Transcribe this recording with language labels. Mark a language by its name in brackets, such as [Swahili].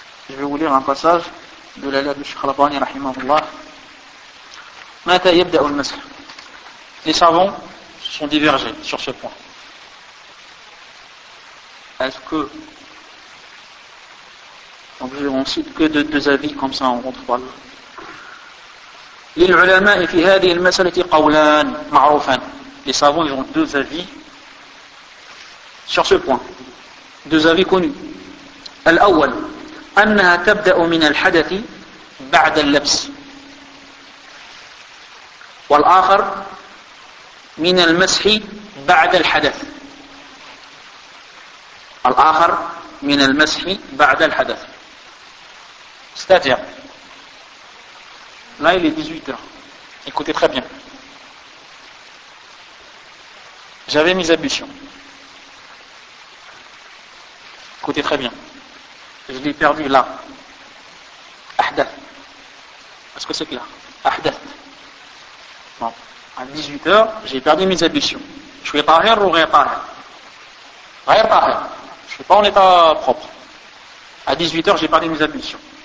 [French] Je vais vous lire un passage de la lettre du Cheikh Al-Albani, rahimahullah. [Arabic] Mata yabda'u al-masah. [French] Les savants sont divergés sur ce point. Est-ce que... Donc, on cite que deux avis comme ça, on ne rentre pas là. [Arabic] للعلماء في هذه المسألة قولان معروفان. [French] Les savants ils ont deux avis sur ce point. Deux avis connus. [Arabic] الأول أنها تبدأ من الحدث بعد اللبس. والآخر من المسح بعد الحدث. الآخر من المسح بعد الحدث. [French] C'est-à-dire là il est 18h, écoutez très bien, j'avais mis ablution, écoutez très bien, je l'ai perdu là, est-ce que c'est que là, bon, à 18h j'ai perdu mes ablutions, je suis parrain ou réparrain, je suis pas en état propre, à 18h j'ai perdu mes ablutions.